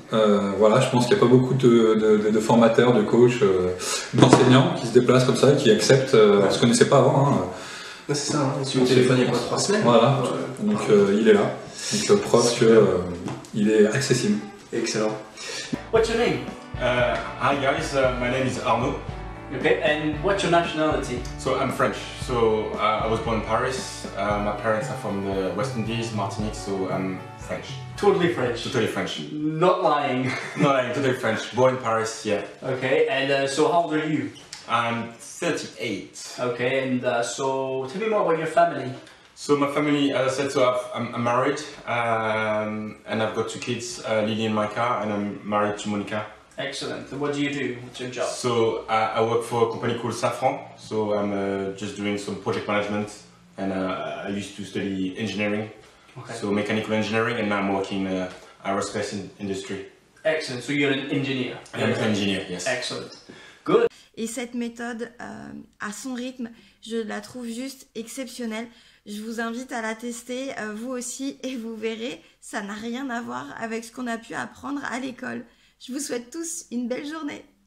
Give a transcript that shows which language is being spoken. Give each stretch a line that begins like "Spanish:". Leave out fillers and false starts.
French: Voilà, je pense qu'il n'y a pas beaucoup de formateurs, de coachs, d'enseignants qui se déplacent comme ça et qui acceptent. On ne se connaissait pas avant. Hein. C'est ça, hein. Sur le téléphone il y a quoi, 3 semaines. Voilà, donc il est là. Donc preuve qu'il est accessible.
English: Excellent. What's your name? Hi guys, my name is Arnaud. Okay, and what's your nationality? So I'm French. So I was born in Paris. My parents are from the West Indies, Martinique, so I'm French. Totally French. Totally French. Not lying. Not lying, totally French. Born in Paris, yeah. Okay, and so how old are you? I'm 38. Okay, and so tell me more about your family. So my family, as I said, so I'm married and I've got 2 kids, Lily and Micah, and I'm married to Monica. Excellent. What do you do? What's your job? So I work for a company called Safran. So I'm just doing some project management and I used to study engineering. Okay. So mechanical engineering, and now I'm working in the aerospace industry. Excellent. So you're an engineer. I'm an engineer, yes. Excellent. Good.
French: Et cette méthode, à son rythme, je la trouve juste exceptionnelle. Je vous invite à la tester, vous aussi, et vous verrez, ça n'a rien à voir avec ce qu'on a pu apprendre à l'école. Je vous souhaite tous une belle journée.